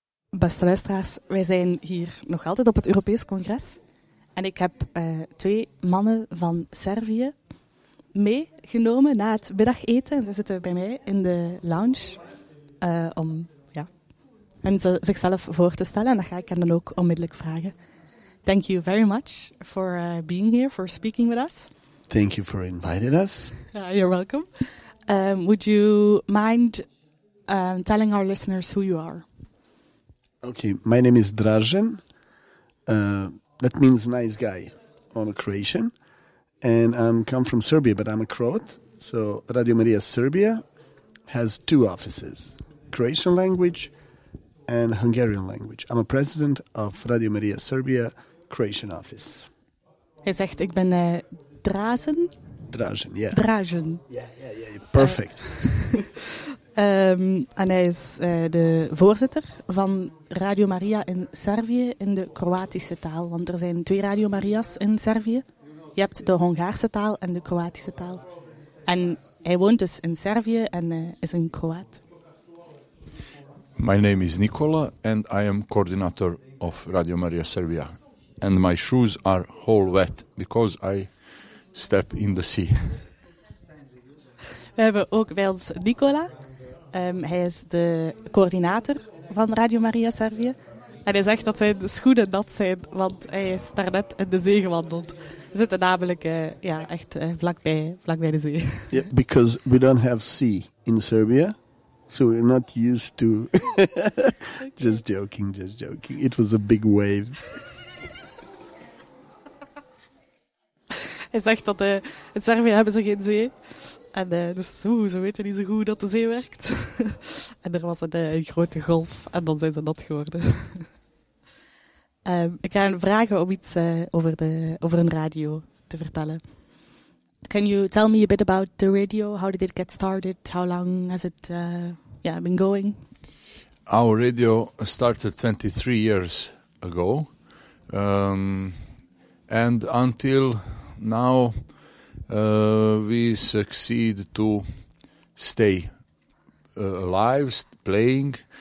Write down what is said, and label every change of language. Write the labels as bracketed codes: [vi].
[nl] Beste luisteraars, wij zijn hier nog altijd op het Europees congres. En ik heb twee mannen van Servië meegenomen na het middageten. Ze zitten bij mij in de lounge om hen zichzelf voor te stellen. En dat ga ik hen dan ook onmiddellijk vragen. [en] Thank you very much for being here, for speaking with us. Thank you for inviting us. You're welcome. Would you mind telling our listeners who you are? Okay, my name is Dražen. That means nice guy on Croatian. And I come from Serbia, but I'm a Croat. So Radio Maria Serbia has two offices, Croatian language and Hungarian language. I'm a president of Radio Maria Serbia Croatian office. [nl] Hij zegt, ik ben Dražen. [en] Dražen, yeah. Dražen. Yeah. Perfect. [nl] En hij is de voorzitter van Radio Maria in Servië in de Kroatische taal. Want er zijn twee Radio Maria's in Servië. Je hebt de Hongaarse taal en de Kroatische taal. En hij woont dus in Servië en is een Kroaat. [en] My name is Nikola and I am coordinator of Radio Maria Serbia. And my shoes are whole wet because I step in the sea. [nl] We hebben ook bij ons Nikola. Hij is de coördinator van Radio Maria Servië. En hij zegt dat zijn schoenen nat zijn, want hij is daarnet in de zee gewandeld. We zitten namelijk vlakbij de zee. [en] Yeah, because we don't have sea in Serbia, so we're not used to... just joking. It was a big wave. [nl] Hij zegt dat in Servië hebben ze geen zee. En ze weten niet zo goed dat de zee werkt. En er was een grote golf en dan zijn ze nat geworden. Ik ga hen vragen om iets over een radio te vertellen. [en] Can you tell me a bit about the radio? How did it get started? How long has it been going? Our radio started 23 years ago. And until now... we succeed to stay alive, playing.